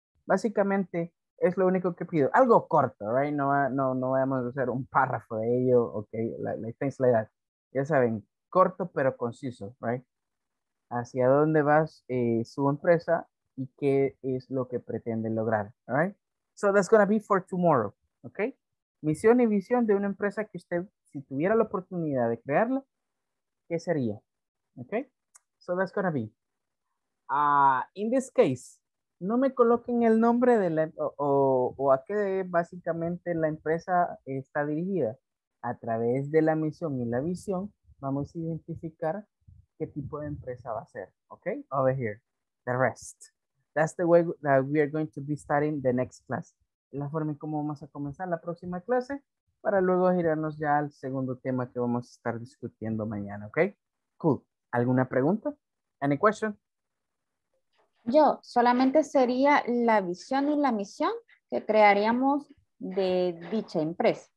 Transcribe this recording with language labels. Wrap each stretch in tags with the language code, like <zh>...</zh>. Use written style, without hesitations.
<es>Básicamente, es lo único que pido. Algo corto,</es> <en>right?</en> <es>No vamos a hacer un párrafo de ello, ¿ok?</es> <en>Like things like that.</en> <es>Ya saben, corto pero conciso,</es> <en>right?</en> <es>¿Hacia dónde vas su empresa y qué es lo que pretende lograr, right?</es> <en>So that's going to be for tomorrow, okay?</en> <es>Misión y visión de una empresa que usted, si tuviera la oportunidad de crearla, ¿qué sería? Okay?</es> <en>So that's going to be. In this case,</en> <es>no me coloquen el nombre de la, o a qué básicamente la empresa está dirigida. A través de la misión y la visión, vamos a identificar qué tipo de empresa va a ser, okay?</es> <en>Over here, the rest. That's the way that we are going to be starting the next class.</en> <es>La forma en cómo vamos a comenzar la próxima clase para luego girarnos ya al segundo tema que vamos a estar discutiendo mañana, okay?</es> <en>Cool.</en> <es>¿Alguna pregunta?</es> <en>Any question?</en> <es>Yo, solamente sería la visión y la misión que crearíamos de dicha empresa.</es>